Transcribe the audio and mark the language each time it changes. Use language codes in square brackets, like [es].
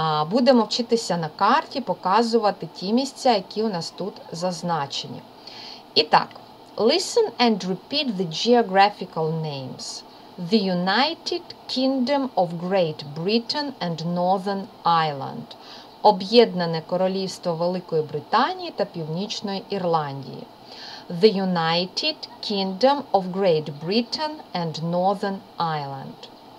[uk] Будемо вчитися на карті, показувати ті місця, які у нас тут зазначені. І так, [en] Listen and repeat the geographical names. The United Kingdom of Great Britain and Northern Ireland. [uk] Об'єднане Королівство Великої Британії та Північної Ірландії. [en] The United Kingdom of Great Britain and Northern Ireland.